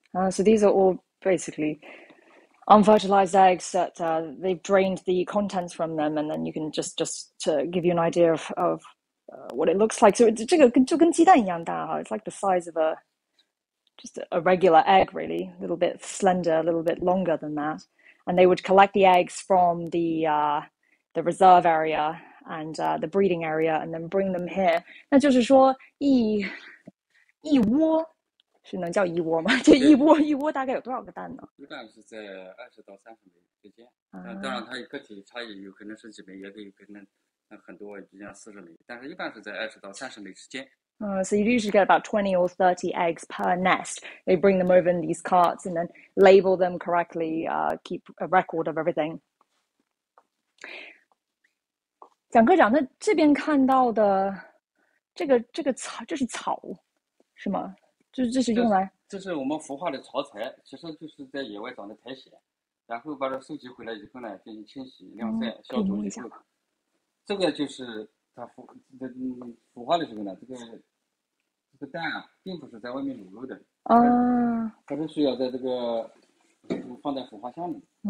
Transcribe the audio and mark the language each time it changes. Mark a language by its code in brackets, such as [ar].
[en] So these are all basically unfertilized eggs that they've drained the contents from them, and then you can just to give you an idea of what it looks like. So it's [zh] 这个就跟鸡蛋一样大哈 [en] It's like the size of a regular egg, really, a little bit slender, a little bit longer than that. And they would collect the eggs from the reserve area and the breeding area, and then bring them here. [zh] 那就是说一窝是能叫一窝吗？这一窝大概有多少个蛋呢？一般是在20到30枚之间。当然它个体差异，有可能是几枚，也可以可能很多，比如像40枚。但是一般是在20到30枚之间。 [en] So you usually get about 20 or 30 eggs per nest. They bring them over in these carts and then label them correctly. Keep a record of everything. [zh] 蒋科长，那这边看到的这个草，这是草。是吗？这是用来，这是我们孵化的草材，其实就是在野外长的苔藓，然后把它收集回来以后呢，进行清洗、晾晒、消毒以后，这个就是它孵化的时候呢，这个蛋啊，并不是在外面裸露的，它是需要在这个放在孵化箱里。